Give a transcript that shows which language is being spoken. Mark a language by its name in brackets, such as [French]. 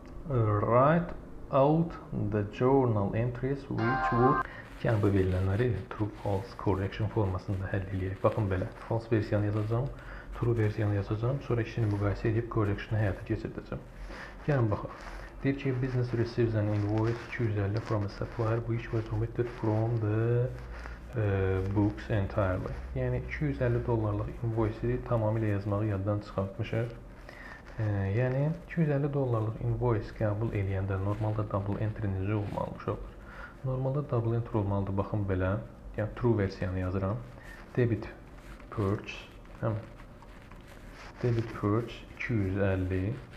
[English] Write out the journal entries which would [Azerbaijani] yəni bu verilənləri true false correction formasında həll edəyək. Baxın belə false versiyanı yazacağam, true versiyanı yazacağam, sonra işini müqayisə edib correctionı həyata keçirdəcəm. Gəlin baxaq. Deyir ki, [English] business receives an invoice 250 from a supplier which was omitted from the books entirely. [Azerbaijani] Yəni, 250 dollarlıq invoice-i tamamilə yazmağı yaddan çıxartmışıq. Yəni, 250 dollarlıq invoice qəbul eləyəndə normalda double entry-nizə olmalmış olur. Normalda double entry olmalıdır, baxın belə. Yəni, true versiyanı yazıram. [English] Debit purchase. Debit purchase 250.